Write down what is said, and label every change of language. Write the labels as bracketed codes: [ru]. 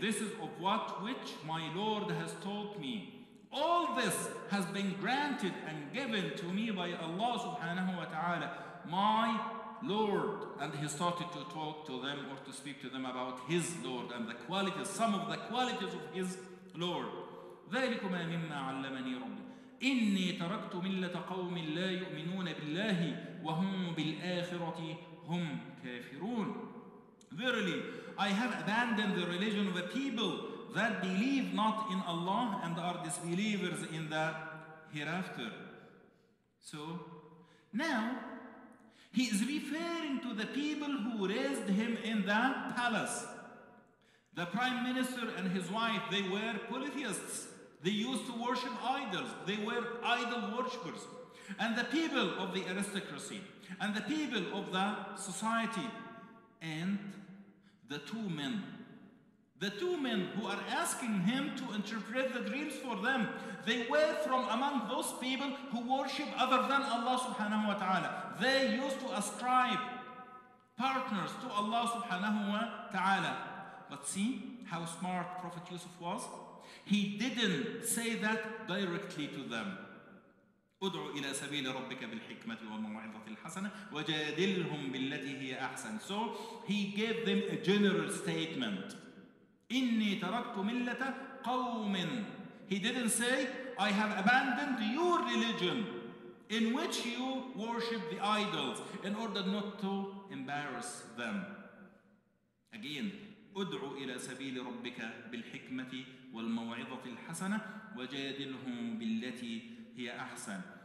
[en] This is of what which my Lord has taught me. All this has been granted and given to me by Allah subhanahu wa ta'ala, my Lord. And he started to talk to them or to speak to them about his Lord and the qualities, some of the qualities of his Lord. [ar] ذلكما مما علمني ربي إني تركت ملة قوم لا يؤمنون بالله وهم بالآخرة هم كافرون. [en] Verily, I have abandoned the religion of a people that believe not in Allah and are disbelievers in the hereafter. So, now, he is referring to the people who raised him in the palace. The prime minister and his wife, they were polytheists. They used to worship idols. They were idol worshippers. And the people of the aristocracy, and the people of the society, and the two men who are asking him to interpret the dreams for them, they were from among those people who worship other than Allah subhanahu wa ta'ala. They used to ascribe partners to Allah subhanahu wa ta'ala. But see how smart Prophet Yusuf was. He didn't say that directly to them. [ar] ادعو إلى سبيل ربك بالحكمة والموعظة الحسنة وجادلهم بالتي هي أحسن. [en] So he gave them a general statement. [ar] إني تركت ملة قوم. [en] He didn't say, I have abandoned your religion in which you worship the idols, in order not to embarrass them. Again, [ar] ادعو إلى سبيل ربك بالحكمة والموعظة الحسنة وجادلهم بالتي هي أحسن.